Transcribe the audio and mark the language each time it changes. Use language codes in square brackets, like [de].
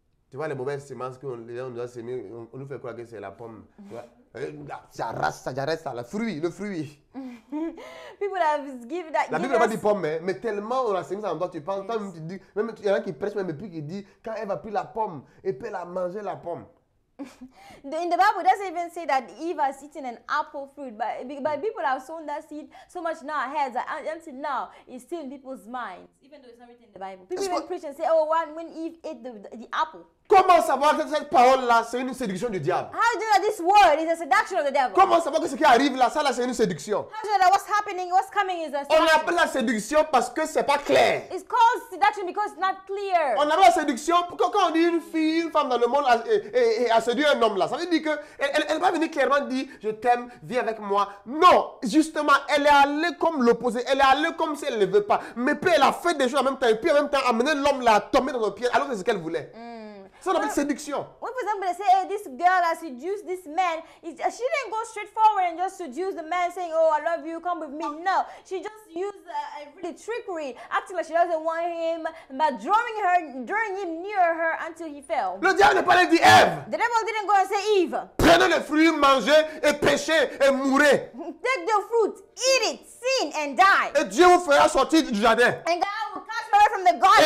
[fr] Tu vois les mauvaises semences que les gens nous ont semées, on nous fait croire que c'est la pomme. Ça reste, le fruit, le fruit. [en] People have given that. [fr] La Bible n'a pas dit pomme, mais tellement on a semé ça en toi, tu penses, yes. Toi, tu dis, même il y en a qui prêchent, même puis qui dit, quand Eve a pris la pomme, elle peut la manger la pomme. [en] In the Bible, it doesn't even say that Eve has eaten an apple fruit, but people have sown that seed so much in our heads that until now it's still in people's minds, even though it's not written in the Bible. People even preach and say, when Eve ate the apple. [fr] Comment savoir que cette parole-là, c'est une séduction du diable? [en] How do you know this word is a seduction of the devil? [fr] Comment savoir que ce qui arrive là, ça là, c'est une séduction? [en] How do you know that what's happening, what's coming is a seduction? [fr] On appelle la séduction parce que c'est pas clair. [en] It's called seduction because it's not clear. [fr] On appelle la séduction parce que quand on dit une fille, une femme dans le monde a séduit un homme là, ça veut dire que elle va venir clairement dire je t'aime, viens avec moi. Non, justement, elle est allée comme l'opposé, elle est allée comme si elle ne veut pas. Mais puis elle a fait des choses en même temps et puis en même temps amener l'homme là à tomber dans le piège alors que c'est ce qu'elle voulait. Ça s'appelle séduction. [en] When for example they say, hey, this girl has seduced this man, she didn't go straight forward and just seduce the man saying, oh, I love you, come with me. No, she just used really trickery, acting like she doesn't want him, but drawing him near her until he fell. [fr] Le diable n'est pas allé dire Eve. [en] The devil didn't go and say Eve. [fr] Prenez le fruit, mangez et péchez et mourrez. [en] Take the fruit, eat it, sin and die. [fr] Et Dieu vous fera sortir du jardin. [en] And God will cast her away from the garden.